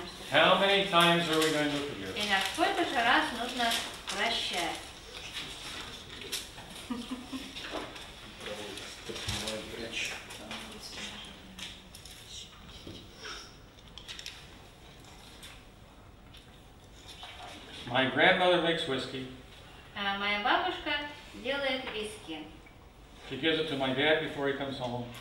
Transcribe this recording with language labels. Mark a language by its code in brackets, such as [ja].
[en] How many times are we going to forgive? [ru] И на сколько же раз нужно прощать? [en] My grandmother makes whiskey. [ru] Моя бабушка делает виски. [en] She gives it to my dad before he comes home.